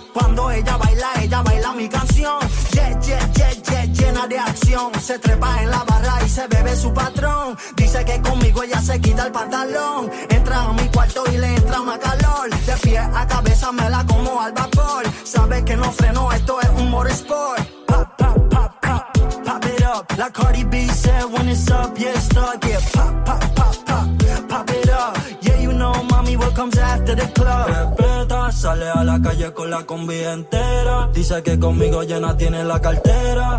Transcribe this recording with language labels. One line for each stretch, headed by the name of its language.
Spanish: Cuando ella baila mi canción. Llena de acción. Se trepa en la barra y se bebe su patrón. Dice que conmigo ella se quita el pantalón. Entra a mi cuarto y le entra más calor. De pie a cabeza me la como al vapor. Sabe que no freno, esto es un motorsport.
English: Pop it up. La Cardi B said when it's up, yeah, it's stuck. Yeah, pop it up. Yeah, you know, mommy, what comes after the club.
Spanish: Respeta, sale a la calle con la combi entera. Dice que conmigo llena tiene la cartera.